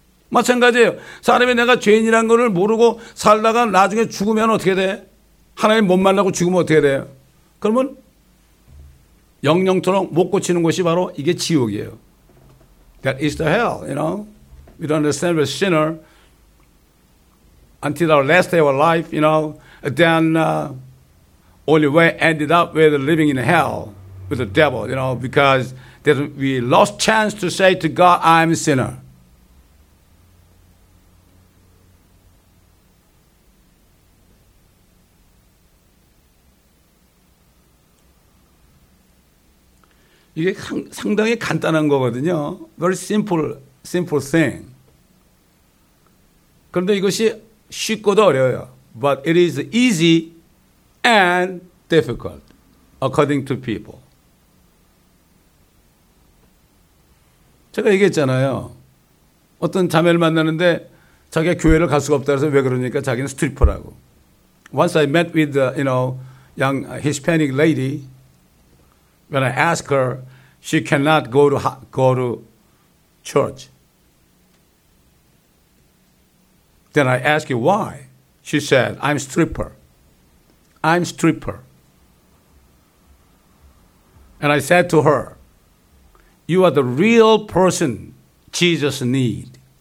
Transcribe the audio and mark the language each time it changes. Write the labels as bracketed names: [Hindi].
[Korean] 마찬가지예요. 사람이 내가 죄인이란 것을 모르고 살다가 나중에 죽으면 어떻게 돼? 하나님 못 만나고 죽으면 어떻게 돼요? 그러면 영영토록 못 고치는 곳이 바로 이게 지옥이에요. [English] That is the hell, you know. We don't understand we're a sinner until our last day of our life, you know. Then only way ended up with living in hell with the devil, you know, because we lost chance to say to God, I'm a sinner. [Korean] 이게 상당히 간단한 거거든요. [English] Very simple thing. [Korean] 그런데 이것이 쉽고도 어려워요. [English] But it is easy and difficult according to people. [Korean] 제가 얘기했잖아요. 어떤 자매를 만났는데 자기가 교회를 갈 수가 없다 그래서 왜 그러니까 자기는 스트리퍼라고. [English] Once I met with you know young Hispanic lady when I asked her She cannot go to church. Then I ask you why. She said, I'm stripper. And I said to her, you are the real person Jesus need.